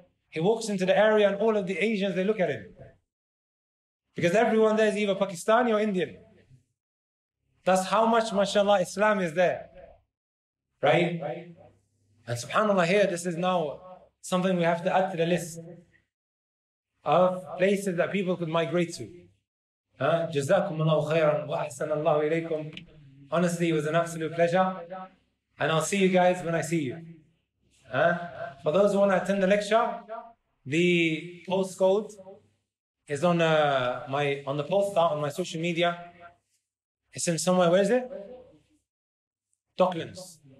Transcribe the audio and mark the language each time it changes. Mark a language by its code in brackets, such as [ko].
[en] He walks into the area and all of the Asians, they look at him. Because everyone there is either Pakistani or Indian. That's how much, mashallah, Islam is there. Right? And subhanAllah, here, this is now something we have to add to the list of places that people could migrate to. [ar] جزاكم الله خيرا وأحسن الله إليكم. [en] Honestly, it was an absolute pleasure. And I'll see you guys when I see you. For those who want to attend the lecture, the postcode is on the poster on my social media. It's in somewhere, where is it? Docklands.